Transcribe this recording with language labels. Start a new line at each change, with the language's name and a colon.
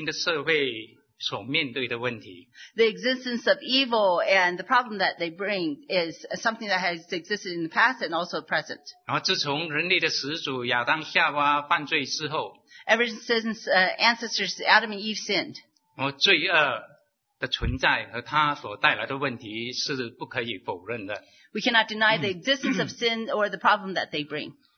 Chinese: 那么罪恶的存在和它所带来的问题是过去和现今的社会所面对的问题。
English: The existence of evil and the problem that they bring is something that has existed in the past and also present.
Chinese: 然后自从人类的始祖亚当夏娃犯罪之后,
English: ever since ancestors Adam and Eve sinned,
Chinese: 罪恶的存在和它所带来的问题是不可以否认的。
English: We cannot deny the existence of sin or the problem that they bring.